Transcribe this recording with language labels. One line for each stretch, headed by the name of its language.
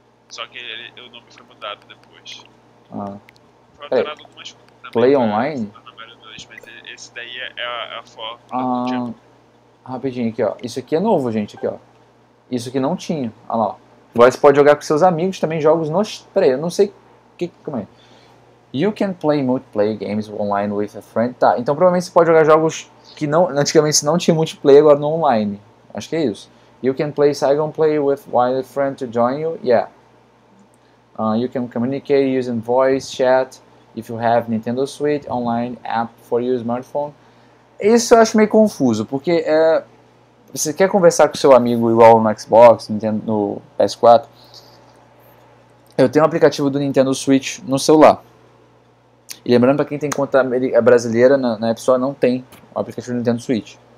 Portuguese: Só que ele, o nome foi mudado depois. Ah. Foi alterado algumas coisas.
English: Play Online?
Portuguese: Dois, mas esse daí é a forma do Jumpman. Rapidinho aqui, ó. Isso aqui é novo, gente, aqui, ó. Isso aqui não tinha. Olha lá. Agora você pode jogar com seus amigos também jogos no... Peraí, eu não sei... Que, como é?
English: You can play multiplayer games online with a friend.
Portuguese: Tá, então provavelmente você pode jogar jogos... Que não, antigamente não tinha multiplayer, agora no online. Acho que é isso.
English: You can play Saigon Play with wild friend to join you. Yeah. You can communicate using voice, chat. If you have Nintendo Switch, online app for your smartphone.
Portuguese: Isso eu acho meio confuso, porque é, você quer conversar com seu amigo igual no Xbox, Nintendo, no PS4. Eu tenho um aplicativo do Nintendo Switch no celular. E lembrando, pra quem tem conta brasileira, na App Store não tem o aplicativo Nintendo Switch.